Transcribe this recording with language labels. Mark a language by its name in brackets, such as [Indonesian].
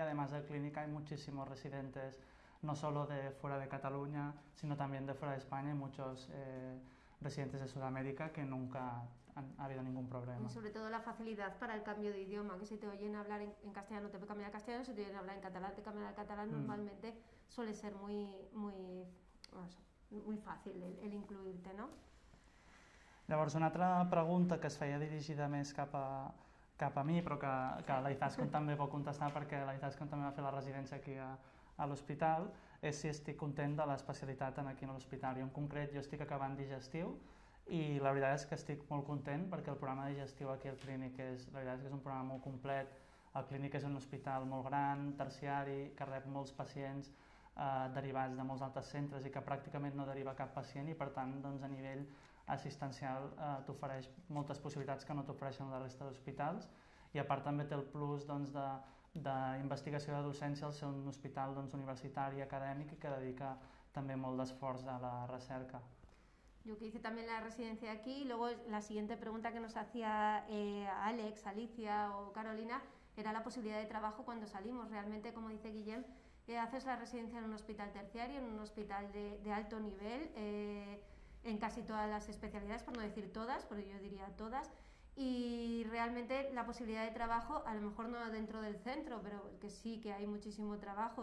[Spanish] Y además de la clínica hay muchísimos residentes, no solo de fuera de Cataluña, sino también de fuera de España, y muchos residentes de Sudamérica que nunca ha habido ningún problema. Y sobre todo la facilidad para el cambio de idioma, que si te oyen hablar en castellano te cambian a castellano, si te oyen hablar en catalán te cambian al catalán, normalmente suele ser muy, muy, muy fácil el incluirte, ¿no? [Catalan] Llavors, una altra pregunta que es feia dirigida més cap a mi, però que la Izaskun també pot contestar perquè la Izaskun també va fer la residència aquí a l'hospital, és si estic content de l'especialitat aquí a l'hospital. Jo en concret, jo estic acabant digestiu i la veritat és que estic molt content perquè el programa digestiu aquí al Clínic és, la veritat és que és un programa molt complet. El Clínic és un hospital molt gran, terciari, que rep molts pacients derivats de molts altres centres i que pràcticament no deriva cap pacient, i per tant, doncs, a nivell assistencial t'ofereix moltes possibilitats que no t'ofereixen la resta d'hospitals. I a part també té el plus d'investigació de docència al ser un hospital universitari i acadèmic que dedica també molt d'esforç a la recerca. [Spanish] Yo que hice también la residencia aquí, y luego la siguiente pregunta que nos hacía Alex, Alicia o Carolina era la posibilidad de trabajo cuando salimos. Realmente, como dice Guillem, haces la residencia en un hospital terciario, en un hospital de alto nivel, en casi todas las especialidades, por no decir todas, pero yo diría todas, y realmente la posibilidad de trabajo, a lo mejor no dentro del centro, pero que sí que hay muchísimo trabajo.